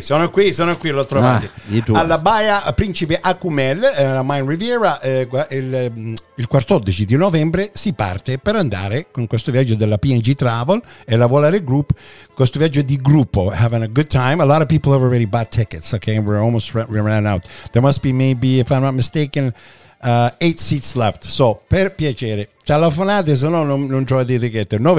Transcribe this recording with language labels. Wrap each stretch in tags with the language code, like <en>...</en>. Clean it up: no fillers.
<it>Sono qui, l'ho trovato. Alla Baia Principe Acumel, la Main Riviera, il 14 di novembre si parte per andare con questo viaggio della PNG Travel e la Volare Group, questo viaggio di gruppo,</it> <en>having a good time. A lot of people have already bought tickets, okay? We're almost ran out. There must be maybe, if I'm not mistaken, 8 seats left.</en> <it>So, per piacere, telefonate, se no non trovate etichette.</it>